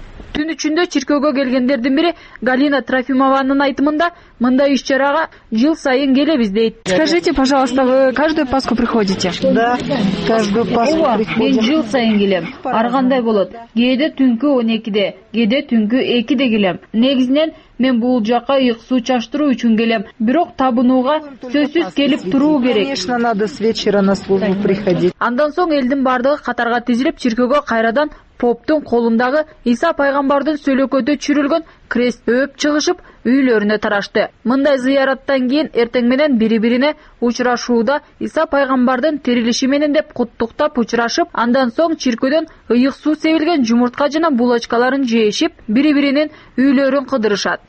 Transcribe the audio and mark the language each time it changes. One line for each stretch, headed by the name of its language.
Kyrgyz: Түн ичинде чиркөөгө келгендердин бири Галина Трофимованын айтымында мындай иш чарага жыл сайын келебиз дейт.
Russian: Скажите, пожалуйста, вы каждую Пасху приходите? Да, каждую Пасху
Kyrgyz: приходим. Мен жыл сайын келем. Ар кандай болот. Кээде түнкү 12:00, кээде түнкү 2:00 келем. Негизинен мен бул жака ыйык суу чачтыруу үчүн келем. Бирок табынууга сөзсүз келип туруу керек.
Russian: Конечно, надо с вечера на службу приходить.
Kyrgyz: Андан соң элдин бардыгы катарга тизилип чиркөөгө кайрадан поптун колундагы Иса пайгамбардын сөлөкөтө чүрүлгөн крест өөп чыгышып үйлөрүнө тарашты. Мындай зыяраттан кийин эртең менен бири бирине учурашууда Иса пайгамбардын тирилиши менен деп куттуктап учурашып, андан соң чиркөөдөн ыйык суу себилген жумуртка жана булочкаларын жеешип, бири биринин үйлөрүн кыдырышат.